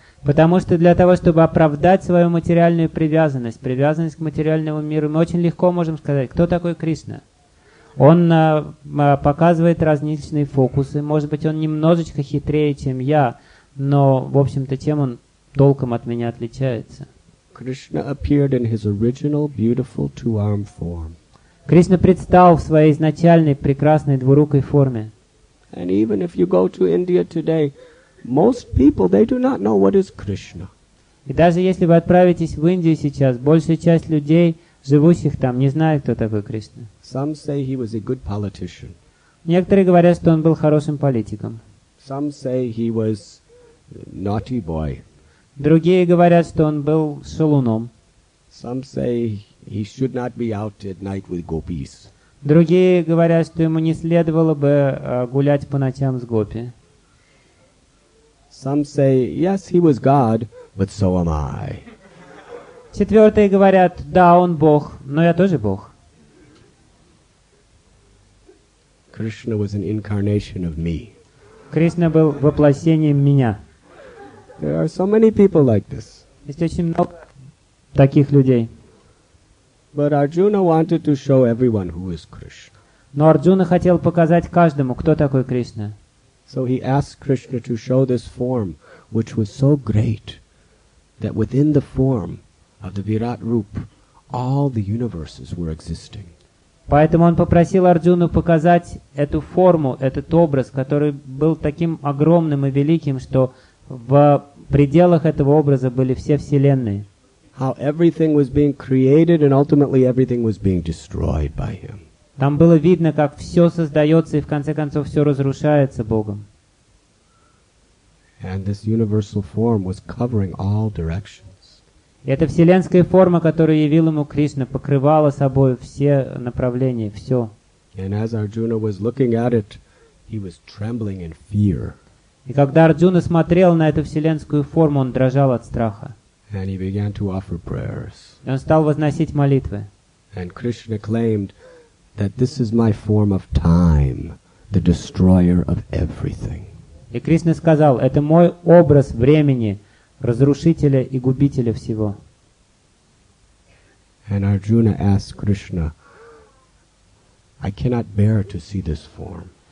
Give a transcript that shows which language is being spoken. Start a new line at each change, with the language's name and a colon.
Russian: Потому что для того, чтобы оправдать свою материальную привязанность, привязанность к материальному миру, мы очень легко можем сказать, кто такой Кришна. Он показывает различные фокусы, может быть, он немножечко хитрее, чем я, но, в общем-то, чем он толком от меня отличается.
English: Krishna appeared in his original beautiful two-arm form.
Russian: Кришна предстал в своей изначальной прекрасной двурукой форме.
English: And even if you go to India today, most people, they do not know what is Krishna.
Russian: И даже если вы отправитесь в Индию сейчас, большая часть людей, живущих там, не знает, кто такой Кришна.
English: Some say he was a good politician.
Russian: Некоторые говорят, что он был хорошим политиком.
English: Some say he was a naughty boy.
Russian: Другие говорят, что он был шалуном.
English: Some say he should not be out at night with gopis.
Russian: Другие говорят, что ему не следовало бы гулять по ночам с гопи.
English: Some say, yes, he was God, but so am I.
Russian: Четвертые говорят, да, он Бог, но я тоже Бог.
English: Krishna was an incarnation of me.
Russian: Кришна был воплощением меня.
English: There are so many people like this.
Russian: Есть очень много таких людей.
English: But Arjuna wanted to show everyone who is Krishna.
Russian: Но Арджуна хотел показать каждому, кто такой Кришна.
English: So he asked Krishna to show this form, which was so great that within the form of the Virat Rup, all the universes were existing.
Russian: Поэтому он попросил Арджуну показать эту форму, этот образ, который был таким огромным и великим, что в пределах этого образа были все вселенные.
English: How everything was being created and ultimately everything was being destroyed by him.
Russian: Там было видно, как все создается и в конце концов все разрушается Богом.
English: And this universal form was covering all directions.
Russian: И эта вселенская форма, которую явил ему Кришна, покрывала собой все направления, все.
English: And as Arjuna was looking at it, he was trembling in fear.
Russian: И когда Арджуна смотрел на эту вселенскую форму, он дрожал от страха.
English: And he began to offer prayers.
Russian: И он стал возносить молитвы.
English: And Krishna claimed that this is my form of time, the destroyer of everything.
Russian: И Кришна сказал, это мой образ времени, разрушителя и губителя всего.
English: And Arjuna asks Krishna, I cannot bear to see this form.